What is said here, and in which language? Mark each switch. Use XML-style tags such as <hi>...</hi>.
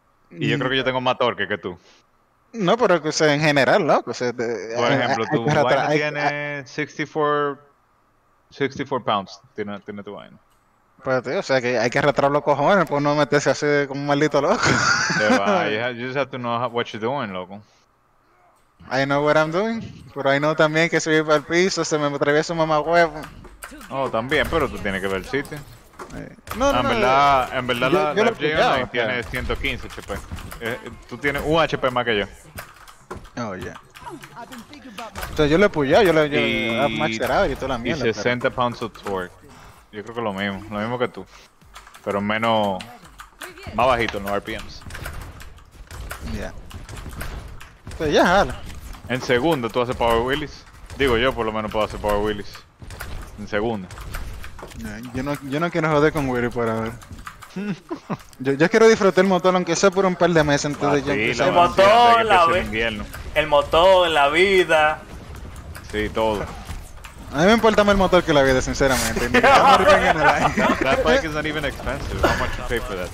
<es>Y yo creo que yo tengo más torque que tú. No, pero o sea, en general, loco. O sea, por ejemplo, tu vaina tiene 64 pounds, tiene tu vaina. Pues tío, o sea, que hay que arrastrar los cojones, pues no meterse así como un maldito loco.</es> <en>You just have to know what you're doing, loco. I know what I'm doing,</en> <es>pero</es> <en>I know</en> <es>también que si voy para el piso, se me atraviesa un mamagüevo. Oh, también, pero tú tienes que ver el sitio. No, en no, verdad, no. En verdad, yo la FJ Online tiene 115 HP. Tú tienes un HP más que yo.</es> <en>Oh, yeah.</en> <es>Entonces, yo le he pullado, yo he macherado y toda la mierda. Y</es> <en>60 pounds of torque.</en> <es>Yo creo que lo mismo que tú. Pero menos, más bajito en los RPMs.</es> <en>Yeah.</en> <es>Pues ya, jala. En segundo, tú haces Power Wheelies. Digo, yo por lo menos puedo hacer Power Wheelies. En segundo. Yo no quiero joder con Willy por ahora. Yo quiero disfrutar el motor, aunque sea por un par de meses. Entonces ya sí, el motor, la vida. El motor, la vida. Sí, todo. A mí me importa más el motor que la vida, sinceramente.</es> <en>That bike is not even expensive. How much you pay for that?</en>